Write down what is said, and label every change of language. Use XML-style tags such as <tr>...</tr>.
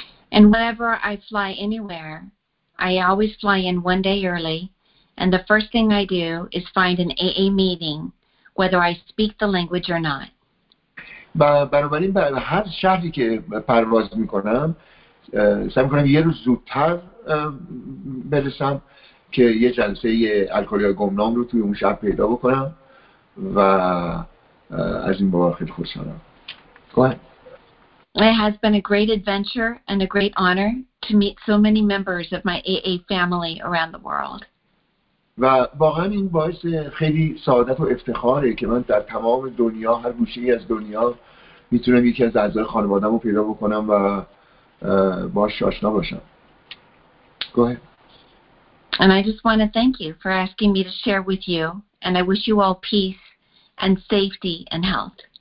<en>And whenever I fly anywhere, I always fly in one day early, and the first thing I do is find an AA meeting, whether I speak the language or not.</en> <fa>بنابراین به هر شهری که پرواز میکنم سعی میکنم یه روز زودتر برسم که یه جلسه الکلی های گمنام رو توی اون شهر پیدا بکنم و از این بابت خیلی خوشحالم.</fa> <en>It has been a great adventure and a great honor to meet so many members of my AA family around the world.</en> <fa>و واقعا این باعث خیلی سعادت و افتخاره که من در تمام دنیا هر گوشه‌ای از دنیا میتونم یکی از اعضای خانواده‌مو پیدا بکنم و باهاش آشنا باشم.</fa> <en>Go ahead. And I just want to thank you for asking me to share with you, and I wish you all peace and safety and health.</en>